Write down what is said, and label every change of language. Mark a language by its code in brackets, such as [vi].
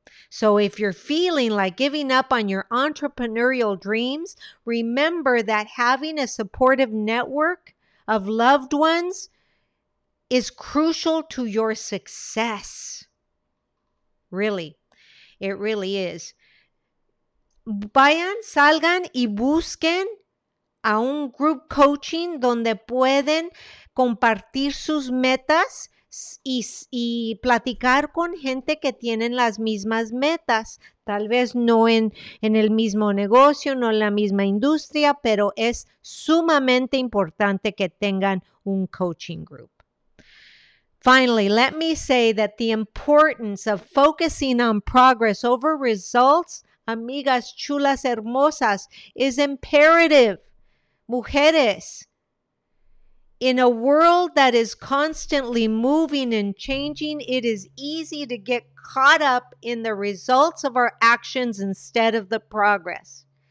[en] So if you're feeling like giving up on your entrepreneurial dreams, remember that having a supportive network of loved ones is crucial to your success. Really, it really is. [es] Vayan, salgan y busquen a un [en] group coaching [es] donde pueden compartir sus metas y platicar con gente que tienen las mismas metas. Tal vez no en el mismo negocio, no en la misma industria, pero es sumamente importante que tengan un [en] coaching group. Finally, let me say that the importance of focusing on progress over results, [es] amigas chulas hermosas, [en] is imperative. Mujeres, in a world that is constantly moving and changing, it is easy to get caught up in the results of our actions instead of the progress.